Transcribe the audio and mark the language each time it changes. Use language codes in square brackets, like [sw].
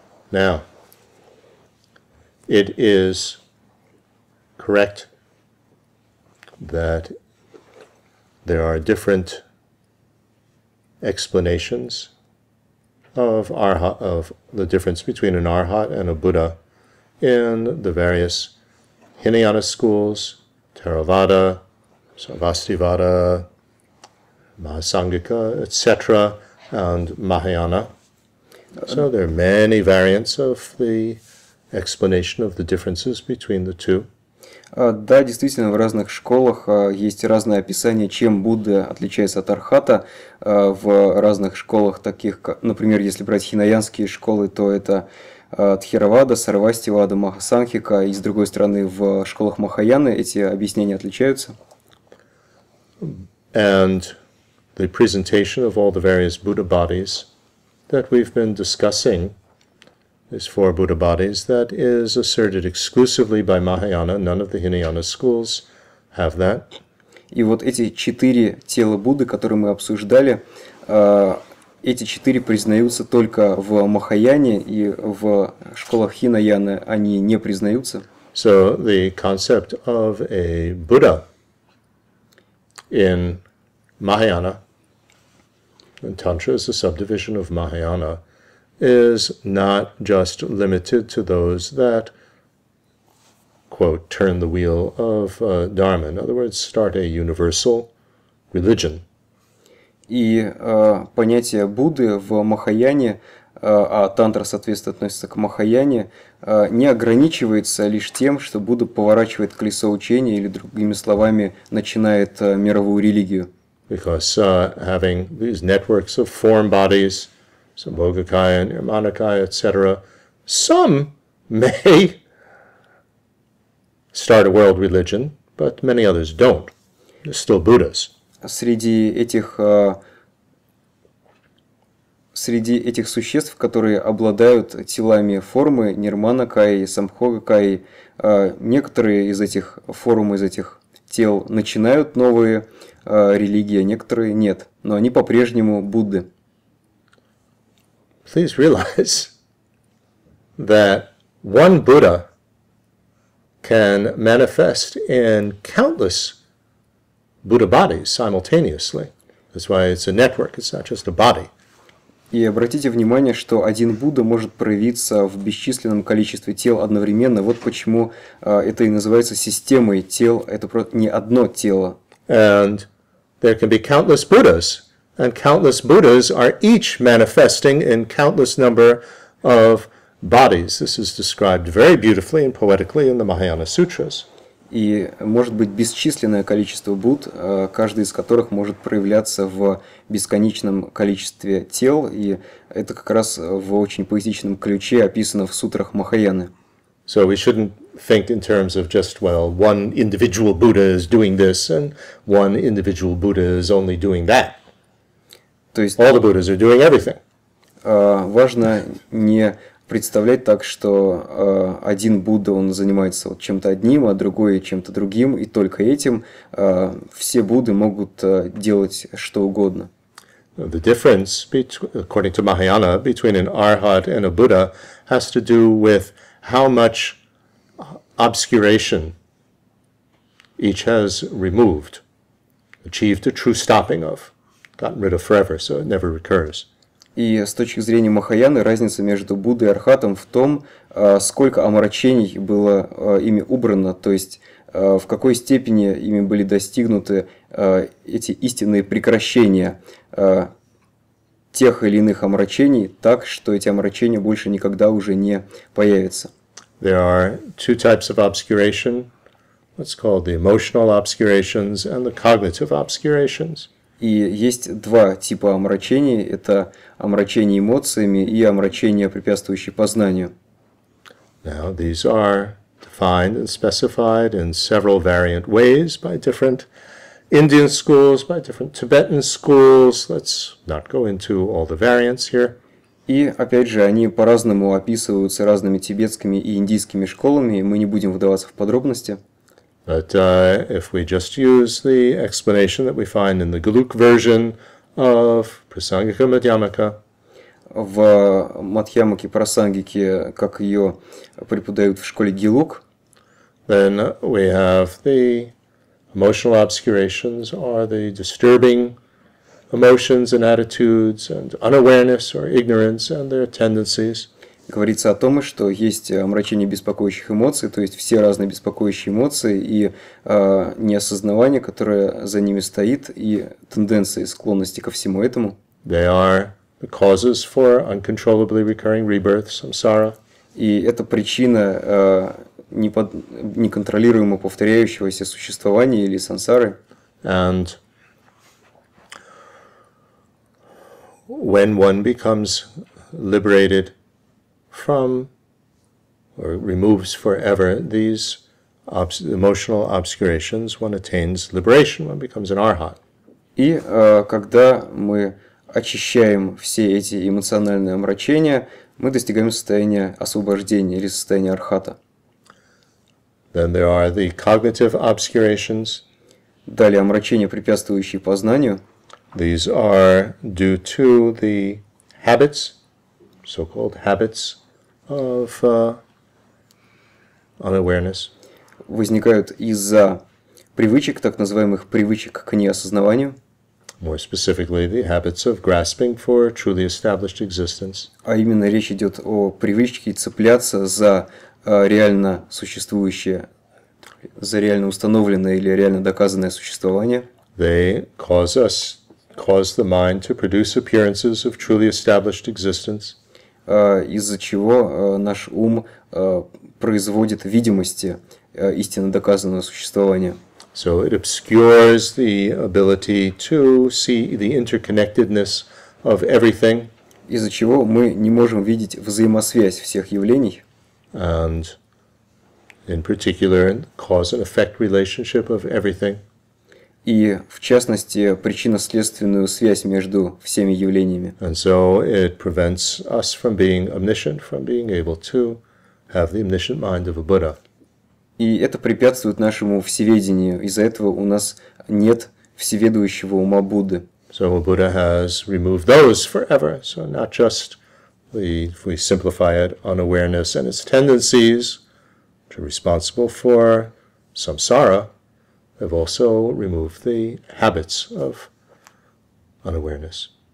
[en] Now, it is correct that there are different explanations of arhat, of the difference between an arhat and a Buddha in the various Hinayana schools, Theravada, Sarvastivada, Mahasanghika, etc., and Mahayana. So there are many variants of the explanation of the differences between the two. [ru] Да, действительно, в разных школах есть разное описание, чем Будда отличается от архата. В разных школах, таких, например, если брать хинаянские школы, то это Тхеравада, Сарвастивада, Махасанхика. И, с другой стороны, в школах Махаяны эти объяснения отличаются. [en] And the presentation of all the various Buddha bodies that we've been discussing, these four Buddha bodies, that is asserted exclusively by Mahayana. None of the Hinayana schools have that. [ru] И вот эти четыре тела Будды, которые мы обсуждали, эти четыре признаются только в Махаяне, и в школах Хинаяны они не признаются. [en] So the concept of a Buddha in Mahayana, in Tantra, is a subdivision of Mahayana, is not just limited to those that, quote, turn the wheel of Dharma. In other words, start a universal religion. [ru] И понятие Будды в Махаяне, а тантра, соответственно, относится к Махаяне, не ограничивается лишь тем, что Будда поворачивает колесо учения или, другими словами, начинает мировую религию. [en] Because having these networks of form bodies, Sambhogakaya, Nirmanakaya, etc., some may start a world religion, but many others don't. They're still Buddhas. [ru] Среди этих среди этих существ, которые обладают телами формы Нирмана Кайи, Самхога Кайи, некоторые из этих форм, из этих тел начинают новые религии, а некоторые нет. Но они по-прежнему Будды. [en] Please realize that one Buddha can manifest in countless Buddha bodies simultaneously. That's why it's a network, it's not just a body. [ru] И обратите внимание, что один Будда может проявиться в бесчисленном количестве тел одновременно. Вот почему это и называется системой тел. Это просто не одно тело. [en] And there can be countless Buddhas. And countless Buddhas are each manifesting in countless number of bodies. This is described very beautifully and poetically in the Mahayana Sutras. [ru] И может быть бесчисленное количество Будд, каждый из которых может проявляться в бесконечном количестве тел, и это как раз в очень поэтичном ключе описано в сутрах Махаяны. [en] So we shouldn't think in terms of just, well, one individual Buddha is doing this, and one individual Buddha is only doing that. [ru] То есть, [en] all the Buddhas are doing everything. [ru] Важно не представлять так, что один Будда, он занимается вот чем-то одним, а другой чем-то другим, и только этим все Будды могут делать что угодно. [en] The difference, according to Mahayana, between an arhat and a Buddha has to do with how much obscuration each has removed, achieved a true stopping of, gotten rid of forever, so it never recurs. [ru] И с точки зрения Махаяны, разница между Буддой и Архатом в том, сколько омрачений было ими убрано, то есть в какой степени ими были достигнуты эти истинные прекращения тех или иных омрачений, так, что эти омрачения больше никогда уже не появятся. [en] There are two types of obscuration. What's called the emotional obscurations and the cognitive obscurations. [ru] И есть два типа омрачений. Это омрачение эмоциями и омрачение, препятствующее познанию. [en] Now, these are defined and specified in several variant ways by different Indian schools, by different Tibetan schools. Let's not go into all the variants here. [ru] И, опять же, они по-разному описываются разными тибетскими и индийскими школами. Мы не будем вдаваться в подробности. [en] But if we just use the explanation that we find in the Galuk version of Prasangika Madhyamaka, [ru] в Мадхьямаке Прасангике, как ее преподают в школе Гилук, [en] then we have the emotional obscurations or the disturbing emotions and attitudes and unawareness or ignorance and their tendencies. [ru] Говорится о том, что есть омрачение беспокоящих эмоций, то есть все разные беспокоящие эмоции и неосознавание, которое за ними стоит, и тенденции, склонности ко всему этому. [en] They are the causes for uncontrollably recurring rebirth, samsara. [ru] И это причина неконтролируемо повторяющегося существования или сансары. [en] And when one becomes liberated from or removes forever these emotional obscurations, one attains liberation, one becomes an arhat. [ru] И когда мы очищаем все эти эмоциональные омрачения, мы достигаем состояния освобождения или состояния архата. [en] Then there are the cognitive obscurations. [ru] Далее омрачения, препятствующие познанию. [en] These are due to the habits, so-called habits of unawareness. [ru] Возникают из-за привычек, так называемых привычек к неосознаванию. [en] More specifically, the habits of grasping for truly established existence. [ru] А именно речь идет о привычке цепляться за реально существующее, за реально установленное или реально доказанное существование. [en] They cause the mind to produce appearances of truly established existence. [ru] Из-за чего наш ум производит видимости истинно доказанного существования. [en] So it obscures the ability to see the interconnectedness of everything. [ru] Из-за чего мы не можем видеть взаимосвязь всех явлений. [en] And in particular, cause and effect relationship of everything. [ru] и, в частности, причинно-следственную связь между всеми явлениями. [en] And so it prevents us from being omniscient, from being able to have the omniscient mind of a Buddha. [ru] И это препятствует нашему всеведению. Из-за этого у нас нет всеведущего ума Будды. [en] So Buddha has removed those forever. So not just the, if we simplify it, unawareness and its tendencies, which are responsible for samsara, have also removed the habits of unawareness.